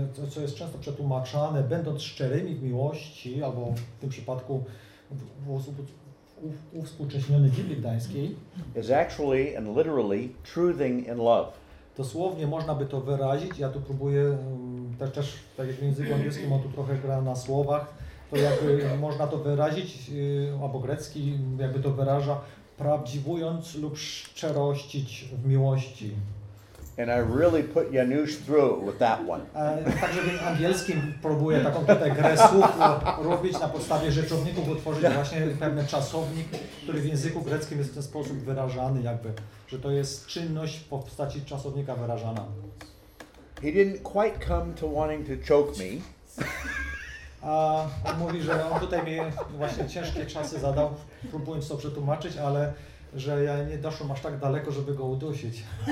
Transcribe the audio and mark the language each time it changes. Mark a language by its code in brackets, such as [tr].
[pl] co jest często przetłumaczane będąc szczerymi w miłości, albo w tym przypadku w osób uwspółcześniony Biblii Gdańskiej, [en] is actually and literally truthing in love. [pl] Dosłownie można by to wyrazić, ja tu próbuję też tak jak w języku angielskim, on tu trochę gra na słowach, to jakby można to wyrazić, albo grecki jakby to wyraża, prawdziwując lub szczerościć w miłości. [en] And I really put Janusz through with that one. [pl] Także w angielskim próbuję taką tutaj grę słów robić na podstawie rzeczowników, utworzyć właśnie pewien czasownik, który w języku greckim jest w ten sposób wyrażany jakby, że to jest czynność w postaci czasownika wyrażana. [en] He didn't quite come to wanting to choke me. [pl] A on mówi, że on tutaj mi właśnie ciężkie czasy zadał, próbując to przetłumaczyć, ale że ja nie doszłem aż tak daleko, żeby go udusić.